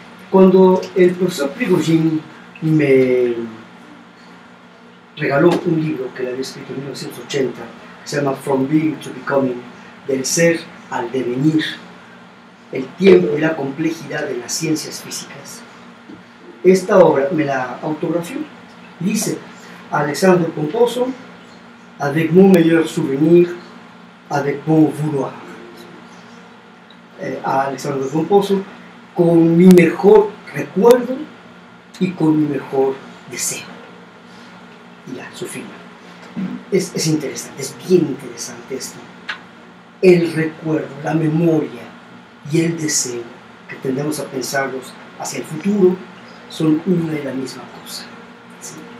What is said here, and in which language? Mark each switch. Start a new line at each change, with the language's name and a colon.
Spanish: Cuando el profesor Prigozhin me regaló un libro que le había escrito en 1980, que se llama From Being to Becoming, del ser al devenir, el tiempo y la complejidad de las ciencias físicas. Esta obra me la autografió.
French: Dice, Alexandre Pomposo, avec mon meilleur souvenir, avec mon vouloir.
Spanish: A Alexandre Pomposo, con mi mejor recuerdo y con mi mejor deseo. Y ya, su firma. Es interesante, es bien interesante esto. El recuerdo, la memoria, y el deseo que tendemos a pensarlos hacia el futuro son una y la misma cosa. ¿Sí?